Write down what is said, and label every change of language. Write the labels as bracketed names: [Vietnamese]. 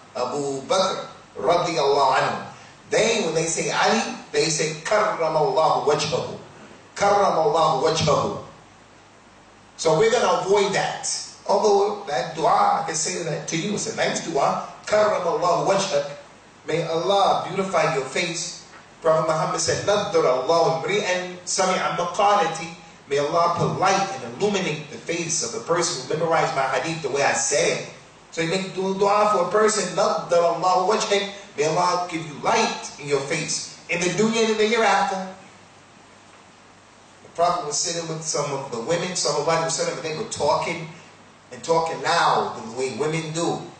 [English] Abu Bakr, radiallahu anhu. They, when they say Ali, they say karramallahu wajhahu. Karramallahu wajhahu. So we're going to avoid that. Although that dua, I can say that to you, it's a nice dua. Karramallahu wajhahu. May Allah beautify your face. Prophet Muhammad said, [Arabic] نَذَّرَ اللَّهُ مْرِئًا سَمِعَ مَقَالَتِي. [English] May Allah put light and illuminate the face of the person who memorized my hadith the way I said it. So you make dua for a person, [Arabic] نَذَّرَ اللَّهُ وَجْهَكَ. [English] May Allah give you light in your face, in the dunya and in the hereafter. The Prophet was sitting with some of the women, some of them sitting, but they were talking, and talking loud the way women do.